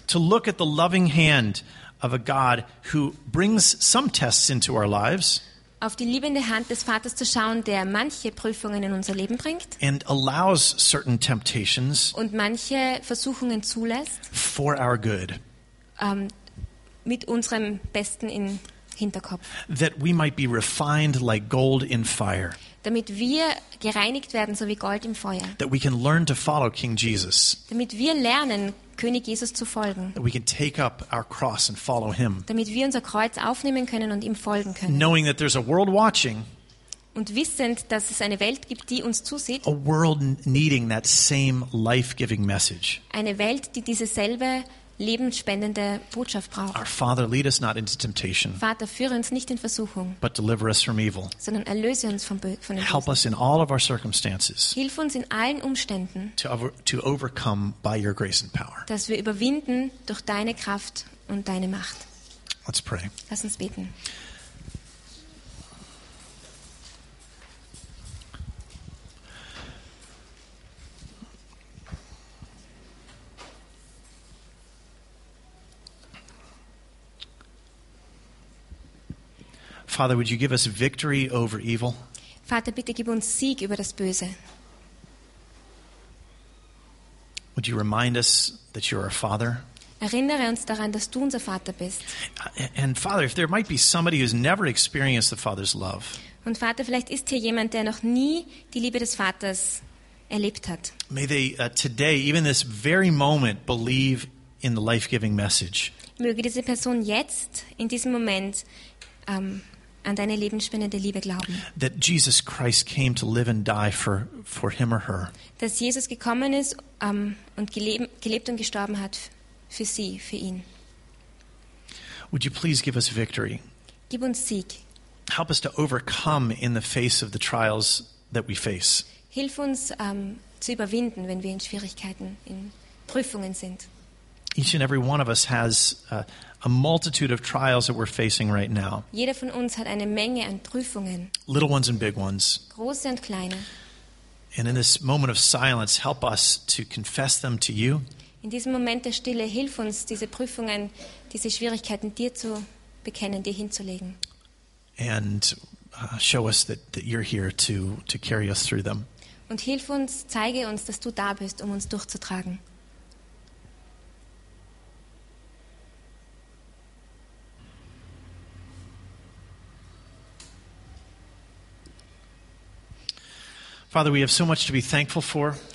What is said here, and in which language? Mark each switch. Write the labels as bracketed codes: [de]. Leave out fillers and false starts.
[en] To look at the loving hand of a God who brings some tests into our lives. [de] Auf die liebende Hand des Vaters zu schauen, der manche Prüfungen in unser Leben bringt. [en] And allows certain temptations. [de] Und manche Versuchungen zulässt. [en] For our good. [de] Mit unserem Besten im Hinterkopf. [en] That we might be refined like gold in fire. [de] Damit wir gereinigt werden, so wie Gold im Feuer. [en] That we can learn to follow King Jesus. [de] Damit wir lernen, König Jesus zu folgen. [en] That we can take up our cross and follow him. [de] Damit wir unser Kreuz aufnehmen können und ihm folgen können. [en] Knowing that there's a world watching. [de] Und wissend, dass es eine Welt gibt, die uns zusieht. [en] A world needing that same life-giving message. [de] Eine Welt, die dieselbe lebensspendende Botschaft braucht. [en] Our Father, lead us not into temptation. [de] Vater, führe uns nicht in Versuchung. [en] But deliver us from evil. [de] Sondern erlöse uns von dem [en] Help [de] Bösen. [en] Us in all of our circumstances. [de] Hilf uns in allen Umständen. [en] To overcome by your grace and power. [de] Dass wir überwinden durch deine Kraft und deine Macht. [en] Let's pray. [de] Lass uns beten. [en] Father, would you give us victory over evil? [de] Vater, bitte gib uns Sieg über das Böse. [en] Would you remind us that you are our Father? [de] Erinnere uns daran, dass du unser Vater bist. [en] And Father, if there might be somebody who's never experienced the Father's love. [de] Und Vater, vielleicht ist hier jemand, der noch nie die Liebe des Vaters erlebt hat. [en] May they today, even this very moment, believe in the life-giving message. [de] Möge diese Person jetzt in diesem Moment an deine lebensspendende Liebe glauben. [en] That Jesus Christ came to live and die for him or her. [de] Dass Jesus gekommen ist und gelebt und gestorben hat für sie, für ihn. [en] Would you please give us victory? [de] Gib uns Sieg. [en] Help us to overcome in the face of the trials that we face. [de] Hilf uns zu überwinden, wenn wir in Schwierigkeiten, in Prüfungen sind. [en] Each and every one of us has a multitude of trials that we're facing right now. [de] Jeder von uns hat eine Menge an Prüfungen. [en] Little ones and big ones. [de] Große und kleine. [en] And in this moment of silence, help us to confess them to you. [de] In diesem Moment der Stille, hilf uns, diese Prüfungen, diese Schwierigkeiten dir zu bekennen, dir hinzulegen. [en] And show us that you're here to carry us through them. [de] Und hilf uns, zeige uns, dass du da bist, um uns durchzutragen. [en] Father, we have so much to be thankful for.